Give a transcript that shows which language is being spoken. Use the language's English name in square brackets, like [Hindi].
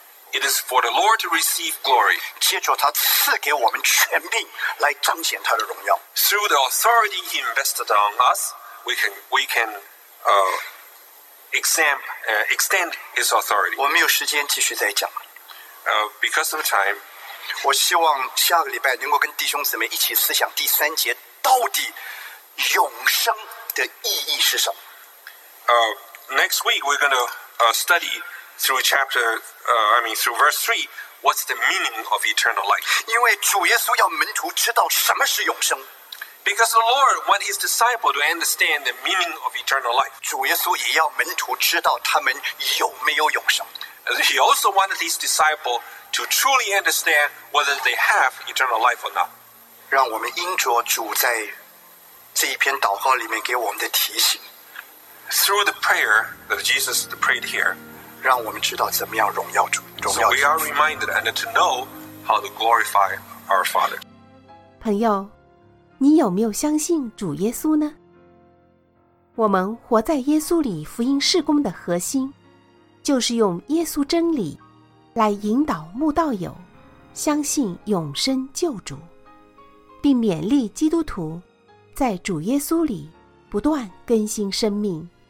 [English] It is for the Lord to receive glory. [Chinese] 借着他赐给我们权柄来彰显他的荣耀。 [English] Through the authority he invested on us, we can extend his authority. [Chinese] 我没有时间继续再讲。 [English] Because of time, [Chinese] 我希望下个礼拜能够跟弟兄姊妹一起思想第三节到底永生的意义是什么。 [English] Next week we're going to study through verse 3, what's the meaning of eternal life? [Chinese] 因为主耶稣要门徒知道什么是永生。 [English] Because the Lord wants his disciple to understand the meaning of eternal life. [Chinese] 主耶稣也要门徒知道他们有没有永生。 [English] He also wanted his disciple to truly understand whether they have eternal life or not. [Chinese] 让我们因着主在这一篇祷告里面给我们的提醒。 [English] Through the prayer that Jesus prayed here, [Chinese] 让我们知道怎么样荣耀主。 [English] So we are reminded and to know how to glorify our Father. [Chinese] 朋友，你有没有相信主耶稣呢？我们活在耶稣里福音事工的核心，就是用耶稣真理来引导慕道友相信永生救主，并勉励基督徒在主耶稣里不断更新生命。